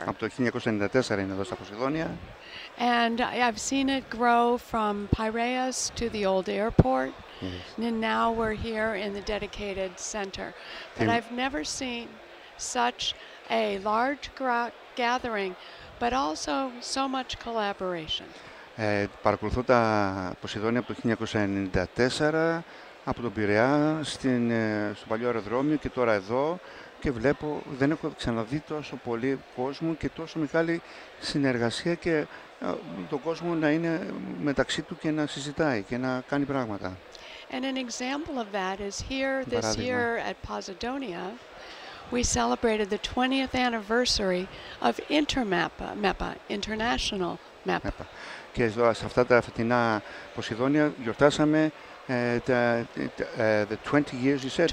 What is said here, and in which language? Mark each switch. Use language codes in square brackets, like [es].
[el] Από το 1994 είναι εδώ στα Ποσειδόνια. [en] And I've seen it grow from Piraeus to the old airport. Yes. And now we're here in the dedicated center. But I've never seen such a large gathering, but also so much collaboration. [el] Παρακολουθώ τα Ποσειδόνια από το 1994. Από τον Πειραιά στο παλιό αεροδρόμιο και τώρα εδώ και βλέπω, δεν έχω ξαναδεί τόσο πολύ κόσμο και τόσο μεγάλη συνεργασία και τον κόσμο να είναι μεταξύ του και να συζητάει και να κάνει πράγματα. [en] And an example of that is here this year at Posidonia, we celebrated the 20th anniversary of MEPA, International MEPA. [el] Και εδώ, σε αυτά τα φετινά Ποσειδόνια γιορτάσαμε [en] the 20 years, you said?